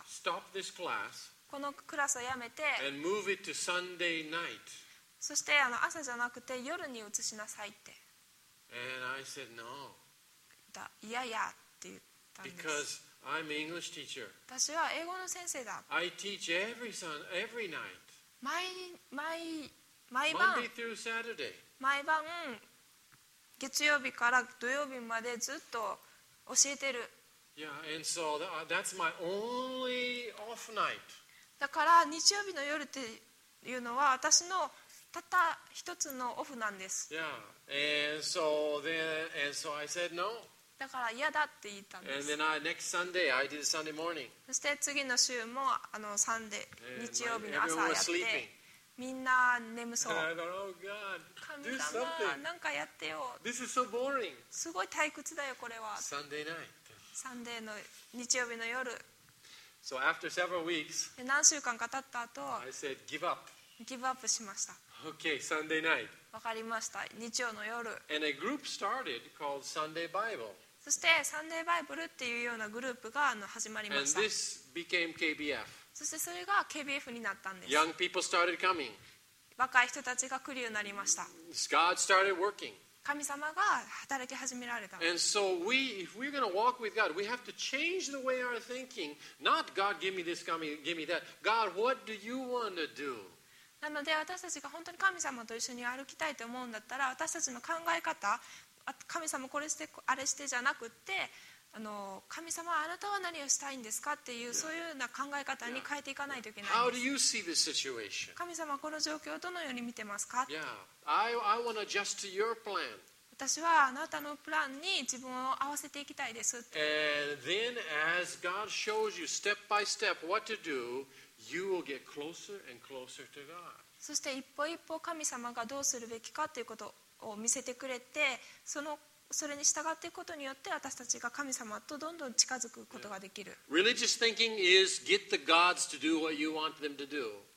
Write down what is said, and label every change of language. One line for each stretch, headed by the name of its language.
English: Stop this class.
Japanese: このクラスをやめて。
English: And move it to Sunday night.
Japanese: そして朝じゃなくて夜に移しなさいって。
English: And I said no.
Japanese: いやいやって言ったんです。
English: Because I'm English teacher.
Japanese: 私は英語の先生だ。
English: I teach every night.
Japanese: 毎晩。
English: Monday through Saturday.
Japanese: 毎晩月曜日から土曜日までずっと教えてる。
English: Yeah, and so that's my only off night.
Japanese: だから日曜日の夜っていうのは私のたった一つのオフなんです。
English: Yeah, and so then and so I said no.
Japanese: だから嫌だって言ったんです。
English: And then next Sunday, I did Sunday morning.
Japanese: そして次の週もサンデー、日曜日の朝やって、みんな眠そう。
English: I thought, oh God,
Japanese: 神様、なんかやってよ。
English: This is so boring.
Japanese: すごい退屈だよこれは。
English: Sunday night.
Japanese: サンデーの日曜日の夜。
English: So after several weeks,
Japanese: 何週間か経った後、
English: I said, give up.
Japanese: ギブアップしました。
English: Okay, Sunday night.
Japanese: わかりました。日曜の夜。
English: And a group started called Sunday Bible.
Japanese: そしてサンデーバイブルっていうようなグループが始まりました。
English: And this became KBF.
Japanese: そしてそれが KBF になったんです。
English: Young people started coming.
Japanese: 若い人たちが来るようになりました。
English: God started working.
Japanese: 神様が働き始められた。
English: And so we, if we're going to walk with God, we have to change the way our thinking. Not God, give me this, give me that. God, what do you want to do?
Japanese: なので私たちが本当に神様と一緒に歩きたいと思うんだったら私たちの考え方神様これしてあれしてじゃなくってあの神様あなたは何をしたいんですかっていう、そういうような考え方に変えていかないといけないんです。
English: How do you see the situation?
Japanese: 神様この状況をどのように見てますか。
English: Yeah. I want to adjust to your plan.
Japanese: 私はあなたのプランに自分を合わせていきたいですって。
English: And then as God shows you step by step what to do, you will get closer and closer to God.
Japanese: そして一歩一歩神様がどうするべきかということを見せてくれて、そのそれに従っていくことによって私たちが神様とどんどん近づくことができる。
English: Religious thinking is get the gods to do what you want them to do.